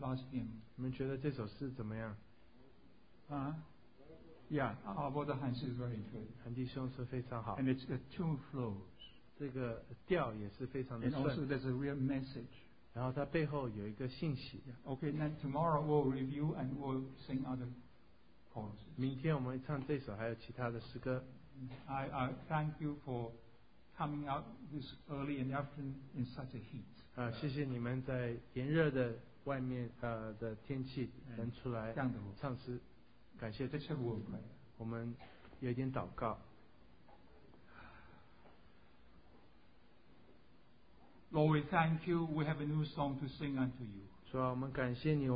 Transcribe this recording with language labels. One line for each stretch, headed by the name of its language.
Chinese: 你们觉得这首诗怎么样?
English: Yeah, our brother Hans is very good.
Chinese: 韩弟兄是非常好.
English: And it's the tune flows.
Chinese: 这个调也是非常的顺.
English: And also there's a real message.
Chinese: 然后它背后有一个信息.
English: Yeah. Okay, then tomorrow we'll review and we'll sing other choruses.
Chinese: 明天我们唱这首还有其他的诗歌.
English: I thank you for coming out this early in the afternoon in such a heat.
Chinese: 谢谢你们在炎热的 外面的天气能出来唱诗，感谢。我们有点祷告。
English: Lord, we thank you. We have a new song to sing unto you.